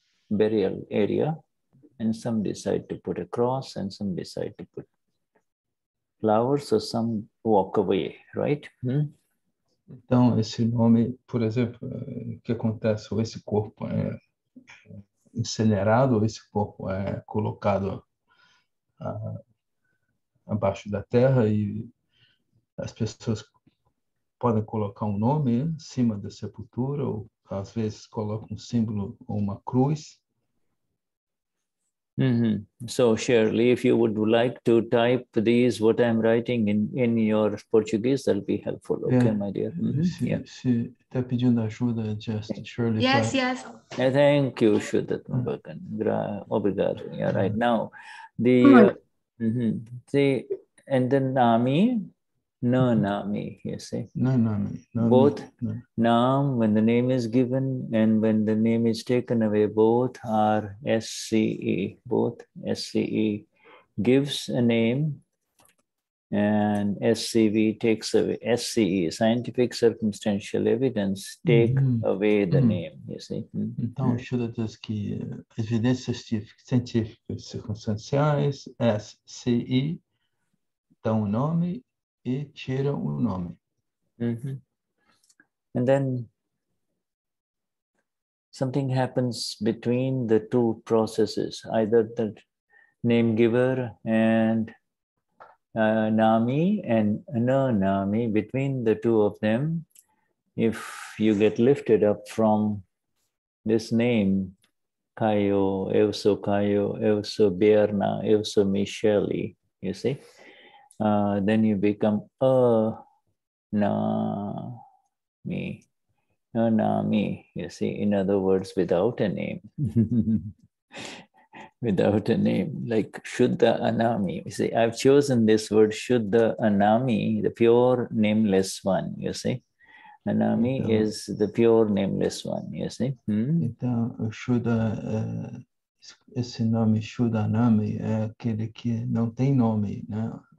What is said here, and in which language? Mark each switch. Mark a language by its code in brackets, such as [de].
[en] burial area, and some decide to put a cross, and some decide to put flowers, or some walk away, right? [pt] Então, esse nome, por exemplo, que acontece, ou esse corpo é incinerado, ou esse corpo é colocado abaixo da terra, e as pessoas podem colocar um nome em cima da sepultura, ou às vezes colocam um símbolo ou uma cruz. Mm-hmm. [en] So, Shirley, if you would like to type these, what I'm writing in your Portuguese, that'll be helpful, okay, yeah. My dear? [pt] Está pedindo ajuda, [en] just Shirley. Yes, yeah, thank you, Vishuddhatma. Obrigado. Yeah, right now, the, and then Nami, no Nami, you see? No Nami. Both Nam, when the name is given, and when the name is taken away, both are SCE. Both SCE gives a name, and SCV takes away. SCE, scientific circumstantial evidence, take away the name, you see? [pt] Então, o Shuddha diz que evidências científicas circunstanciais, SCE, dão o nome. E tira o nome. Mm-hmm. [en] And then something happens between the two processes, either the name giver and Nami and Anonami, between the two of them, if you get lifted up from this name, Caio, eu sou Caio, eu sou Berna, eu sou Michele, you see? Then you become a-na-mi, you see, in other words, without a name, without a name, like Shuddha-anami, you see, I've chosen this word Shuddha-anami, the pure nameless one, you see, anami então, is the pure nameless one, you see. [pt] Então, Shuddha, esse nome Shuddha-anami é aquele que não tem nome, né,